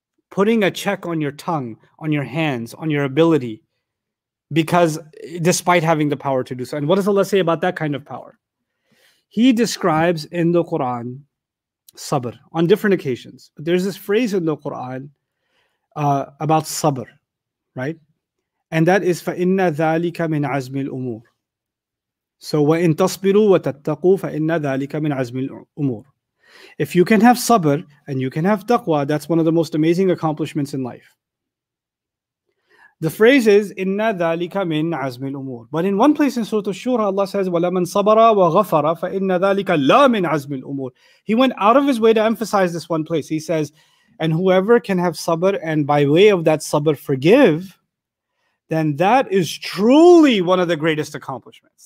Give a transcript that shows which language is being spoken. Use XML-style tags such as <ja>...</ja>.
<en>Putting a check on your tongue, on your hands, on your ability, because despite having the power to do so. And what does Allah say about that kind of power? He describes in the Quran sabr on different occasions. But there's this phrase in the Quran about sabr, right? And that is,</en> <ar>فَإِنَّ ذَٰلِكَ مِنْ عَزْمِ الْأُمُورِ. So وَإِنْ تَصْبِرُوا وَتَتَّقُوا فَإِنَّ ذَٰلِكَ مِنْ عَزْمِ الْأُمُورِ.</ar> <en>If you can have sabr and you can have taqwa, that's one of the most amazing accomplishments in life. The phrase is</en> <ar>إِنَّ ذَٰلِكَ مِنْ عَزْمِ الْأُمُورِ.</ar> <en>But in one place in Surah Al-Shura, Allah says</en> <ar>وَلَمَنْ صَبَرَ وَغَفَرَ فَإِنَّ ذَٰلِكَ لَا مِنْ عَزْمِ الْأُمُورِ.</ar> <en>He went out of his way to emphasize this one place. He says, and whoever can have sabr and by way of that sabr forgive, then that is truly one of the greatest accomplishments.</en>